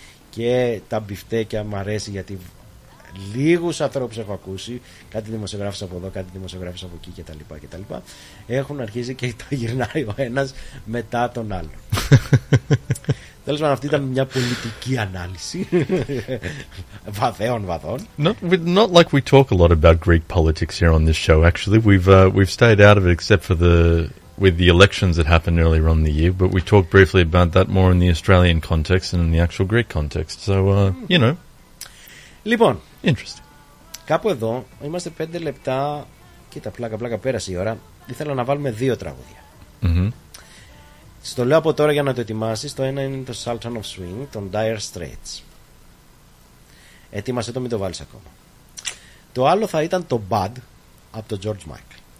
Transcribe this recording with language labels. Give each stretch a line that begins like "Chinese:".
Greek: Και τα μπιφτέκια μου αρέσει, γιατί λίγους ανθρώπους έχω ακούσει, κάτι δημοσιογράφους από εδώ, κάτι δημοσιογράφους από εκεί κτλ. Κτλ. Έχουν αρχίσει και τα γυρνάει ο ένας μετά τον άλλο. Τέλος πάντων, αυτή ήταν μια πολιτική ανάλυση βαθέων βαθών.
English: Not like we talk a lot about Greek politics here on this show, actually. We've stayed out of it except for with the elections that happened earlier on in the year, but we talked briefly about that more in the Australian context than in the actual Greek context. So, you know.
Greek: Λοιπόν,
English: interesting.
Greek: Κάπου εδώ είμαστε 5 λεπτά Κοίτα, πλάκα πέρασε η ώρα. Ήθελα να βάλουμε δύο τραγούδια. Mm-hmm. Στο λέω από τώρα για να το ετοιμάσεις. Το ένα είναι το Sultan of Swing, τον Dire Straits. Ετοίμασε το, μην το βάλεις ακόμα. Το άλλο θα ήταν το Bad από το George Michael.